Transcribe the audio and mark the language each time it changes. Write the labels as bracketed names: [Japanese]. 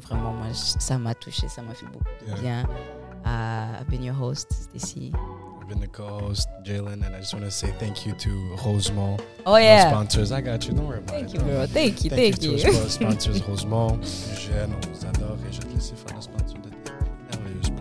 [French] Vraiment, moi, ça m'a touché, ça m'a fait beaucoup de bien. [English] I've been your host, Stacy. Been the co-host Jalen, and I just want to say thank you to Rosemont. Oh yeah, sponsors. I got you. Don't worry about thank You, bro. Thank you, thank you. [French] Sponsors Rosemont, Eugène, on vous adore, et je te laisse faire le sponsor de merveilleuse.